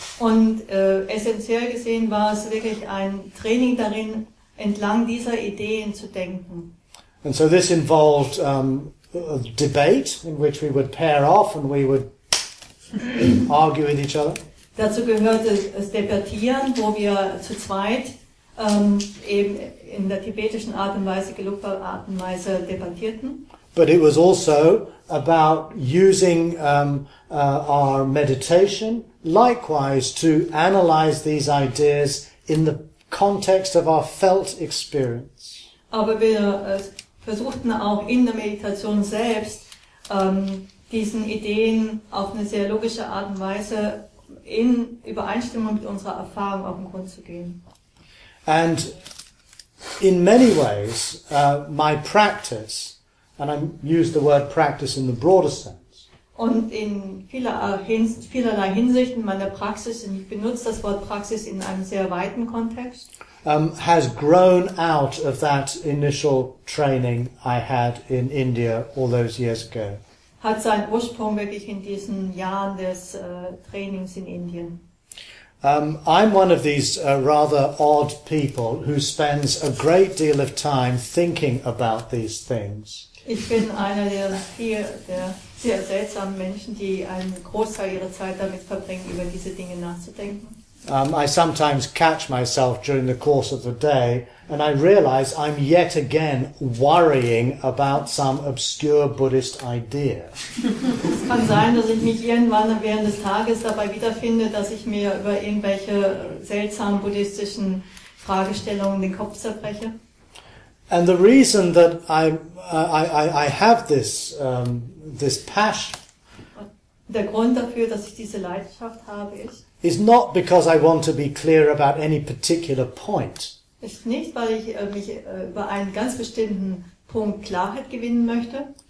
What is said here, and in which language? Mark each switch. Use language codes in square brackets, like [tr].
[de] Und essentiell gesehen war es wirklich ein Training darin, entlang dieser Ideen zu denken. [en] And so this involved a debate in which we would pair off and we would argue with each other. [de] Dazu gehörte das Debattieren, wo wir zu zweit eben in der tibetischen Art und Weise, Gelugpa-Art und Weise debattierten. [en] But it was also about using our meditation likewise to analyze these ideas in the context of our felt experience. [de] Aber wir versuchten auch in der Meditation selbst, diesen Ideen auf eine sehr logische Art und Weise in Übereinstimmung mit unserer Erfahrung auf den Grund zu gehen. [en] And in many ways, my practice, and I use the word practice in the broader sense. [de] Und in vielerlei Hinsichten meine Praxis, und ich benutze das Wort Praxis in einem sehr weiten Kontext, [en] Has grown out of that initial training I had in India all those years ago. [de] Hat seinen Ursprung wirklich in diesen Jahren des Trainings in Indien. [en] I'm one of these rather odd people who spends a great deal of time thinking about these things. [de] Ich bin einer der sehr seltsamen Menschen, die einen Großteil ihrer Zeit damit verbringen, über diese Dinge nachzudenken. [en] I sometimes catch myself during the course of the day and I realize I'm yet again worrying about some obscure Buddhist idea. [de] Es kann sein, dass ich mich irgendwann während des Tages dabei wiederfinde, dass ich mir über irgendwelche seltsamen buddhistischen Fragestellungen den Kopf zerbreche. [en] And the reason that I have this passion, [de] der Grund dafür, dass ich diese Leidenschaft habe, ist, [en] is not because I want to be clear about any particular point. [de] Ist nicht, weil ich mich über einen ganz bestimmten Punkt Klarheit gewinnen möchte.